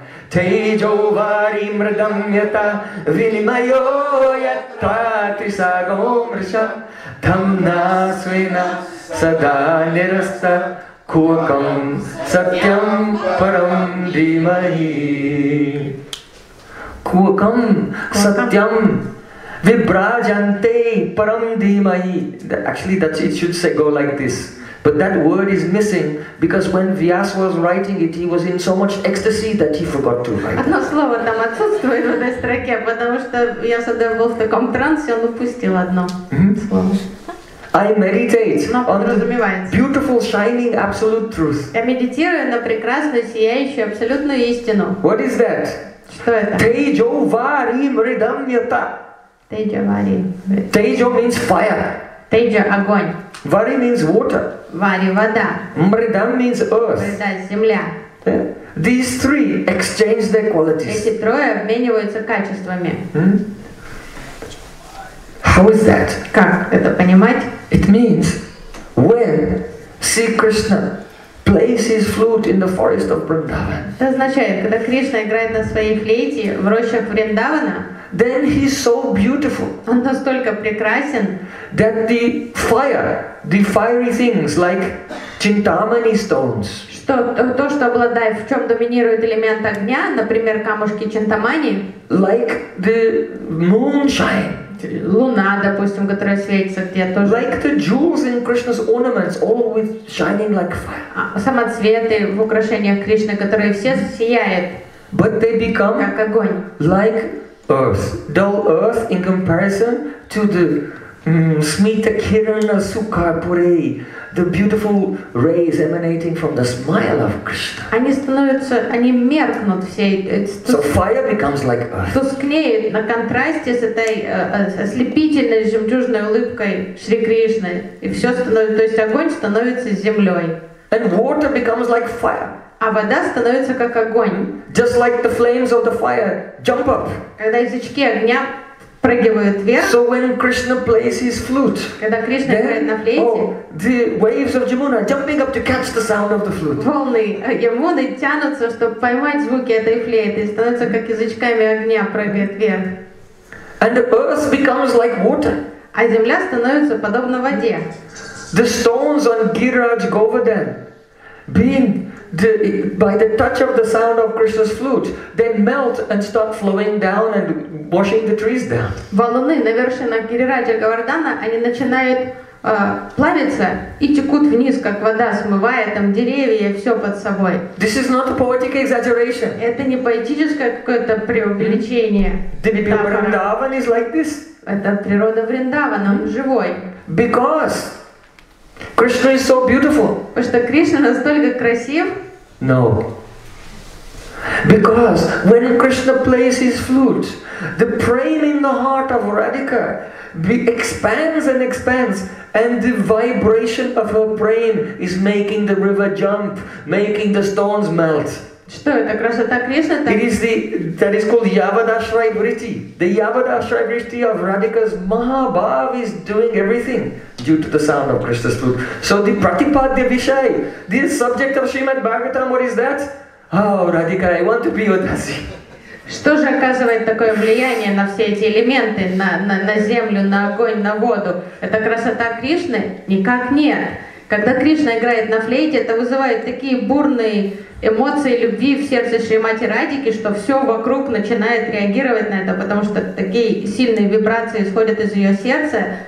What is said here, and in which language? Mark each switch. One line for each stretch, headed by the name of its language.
Sanskrit: Тейджо вари мрдам ята винимайо ята трисагом рша дамна свина сада нираста кувакам сатьям парам димахи. Кувакам сатьям вибраджанте парам димахи.
English: Actually, it should say go like this. But that word is missing because when Vyas was writing it, he was in so much ecstasy that he forgot to write.
Russian: Одно слово там отсутствует в этой строке, потому что я сюда был в таком трансе, он упустил одно слово.
English: I meditate on the beautiful shining absolute truth.
Russian: Я медитирую на прекрасную сияющую абсолютную истину.
English: What is that?
Russian: Что это?
Sanskrit: Тейджо вари мридам ята. Тейджо вари.
English: Тейджо means fire.
Russian: Тейджо – огонь.
English: Вари means water.
Russian: Вари – вода.
English: Мридам means earth.
Russian: Мридам – земля.
English: These three exchange their qualities.
Russian: Эти трое обмениваются качествами.
English: How is that?
Russian: Как это понимать?
English: It means when Sri Krishna places flute in the forest of Vrindavan.
Russian: Это означает, когда Кришна играет на своей флейте в рощах Вриндавана.
English: Then he is so beautiful.
Russian: Он настолько прекрасен.
English: That the fiery things like chintamani stones.
Russian: Что то, что обладает, в чем доминирует элемент огня, например, камушки чинтамани.
English: Like the moonshine.
Russian: Луна, допустим, которая светится где тоже.
English: Like the jewels in Krishna's ornaments, all with shining like fire.
Russian: Самоцветы в украшениях Кришны, которые все сияют.
English: But they become
Russian: как огонь.
English: Like earth, dull earth in comparison to the
Sanskrit: smita kirana sukarpure,
English: the beautiful rays emanating from the smile of Krishna.
Russian: Они становятся, они меркнут все.
English: So fire becomes like earth.
Russian: Тускнеет на контрасте с этой ослепительной жемчужной улыбкой Шри Кришны, и все становится, то есть огонь становится землей.
English: And water becomes like fire.
Russian: А вода становится как огонь.
English: Just like the flames of the fire jump up.
Russian: Когда язычки огня прыгивают вверх.
English: So when Krishna plays his flute,
Russian: когда Кришна играет на флейте,
English: the waves of Yamuna jumping up to catch the sound of the flute.
Russian: Волны Ямуны тянутся, чтобы поймать звуки этой флейты, и становятся как язычками огня, прыгают вверх.
English: And the earth becomes like water.
Russian: А земля становится подобна воде.
English: The stones on Giriraj Govardhan being the, by the touch of the sound of Krishna's flute, they melt and start flowing down and washing the trees down.
Russian: Валуны на вершинах Гирираджа Говардана, они начинают плавиться и текут вниз, как вода, смывая там деревья и все под собой.
English: This is not a poetic exaggeration.
Russian: Это не поэтическое какое-то преувеличение.
English: The Vrindavan is like this.
Russian: Это природа Вриндавана, он живой.
English: Because Krishna is so beautiful.
Russian: Потому что Кришна настолько красив?
English: No. Because when Krishna plays his flute, the prana in the heart of Radhika expands and expands, and the vibration of her prana is making the river jump, making the stones melt.
Russian: Что это? Красота Кришны?
English: It is the, that is called Yavadashray Vritti. The Yavadashray Vritti of Radhika's Mahabhav is doing everything due to the sound of Krishna's flute. So the Pratipadya Vishay, the subject of Srimad Bhagavatam, what is that? Oh, Radhika, I want to be with Dasi.
Russian: Что же оказывает такое влияние на все эти элементы, на землю, на огонь, на воду? Это красота Кришны? Никак нет. Когда Кришна играет на флейте, это вызывает такие бурные эмоции любви в сердце Шримати Радики, что все вокруг начинает реагировать на это, потому что такие сильные вибрации исходят из ее сердца.